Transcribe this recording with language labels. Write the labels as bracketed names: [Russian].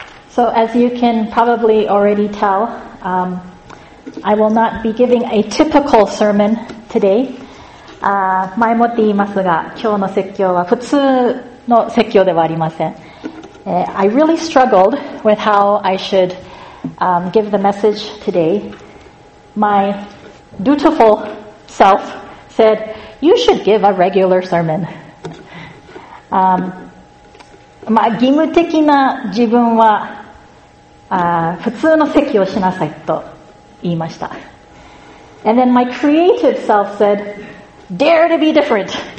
[English] So as you can probably already tell, I will not be giving a typical sermon today. [Japanese] 前もって言いますが、今日の説教は普通の説教ではありません。 [English] I really struggled with how I should give the message today. My dutiful self said, you should give a regular sermon. [Japanese] まあ、義務的な自分は普通の説教をしなさいと言いました。 [English] And then my creative self said, dare to be different.